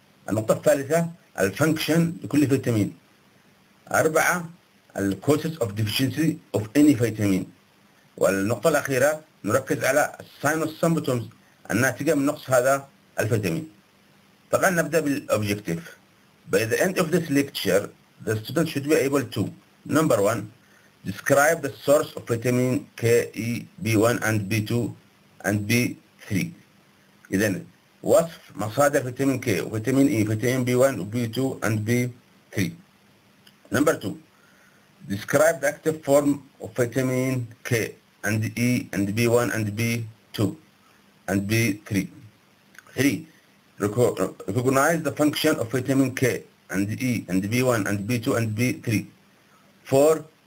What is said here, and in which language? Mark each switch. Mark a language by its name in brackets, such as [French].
[Arabic] النقطة الثالثة الفانكشن لكل فيتامين. 4 [English] الكوسز of deficiency of any vitamin. [Arabic] والنقطة الأخيرة نركز على الساينوس سمبتومز الناتجة من نقص هذا الفيتامين. طبعا نبدا بالاوبجكتيف. [English] By the end of this lecture, the student should be able to number 1 describe the source of vitamin K, E, B1 and B2 and B3. [Arabic] اذا وصف مصادر فيتامين K وفيتامين E وفيتامين B1 وB2 [English] and B3. Number 2 describe the active form of vitamin K and E and B1 and B2 and B3. 3 recognize the function of vitamin K and E and B1 and B2 and B3. 4.